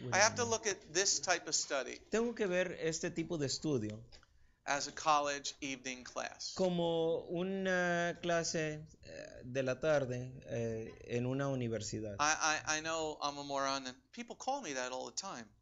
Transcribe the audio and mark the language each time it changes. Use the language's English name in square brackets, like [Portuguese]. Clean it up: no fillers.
[English] I have to look at this type of study. [Spanish] Tengo que ver este tipo de estudio [English] as a college evening class. [Spanish] Como una clase de la tarde en una universidad. [English] I know I'm a moron, and people call me that all the time.